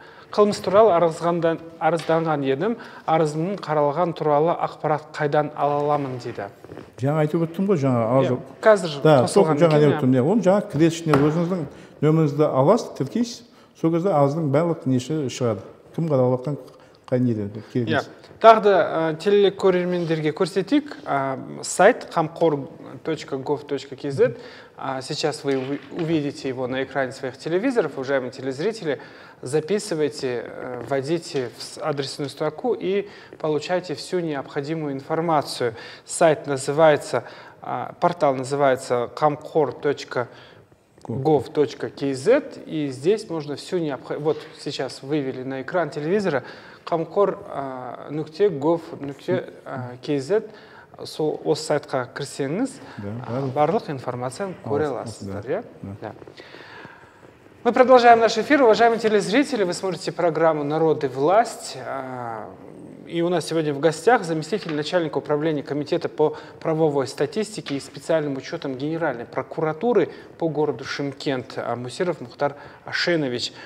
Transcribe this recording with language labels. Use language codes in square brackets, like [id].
[kk] Қылмыс туралы арызданған едім. Арызымның қаралған туралы ақпарат қайдан ала аламын дейді. Жаңа айтып өттім ғой жаңа азы. Қазір қосылған екен. Да, оны жаңа кіресіз ішіне өзіңіздің нөміріңізді аласыз, тіркейсіз. Сол кезде арыздың барлық несі шығады. Кім қаралып жатқан қай неде келесіз. Тағы да телекөрермендерге көрсетейік. [ru] Сайт qamqor.gov.kz. Сейчас вы увидите его на экране своих телевизоров, уважаемые телезрители. Записывайте, вводите в адресную строку и получайте всю необходимую информацию. Сайт называется, портал называется qamqor.gov.kz. И здесь можно всю необходимую... Вот сейчас вывели на экран телевизора qamqor.gov.kz. [kk] осы сайтқа кірсеңіз, барлық информацияны көре аласыздар. [ru] Мы продолжаем наш эфир. Уважаемые телезрители, вы смотрите программу «Народ и власть». И у нас сегодня в гостях заместитель начальника управления комитета по правовой статистике и специальным учетам Генеральной прокуратуры по городу Шымкент Мусиров Мухтар Ашенович.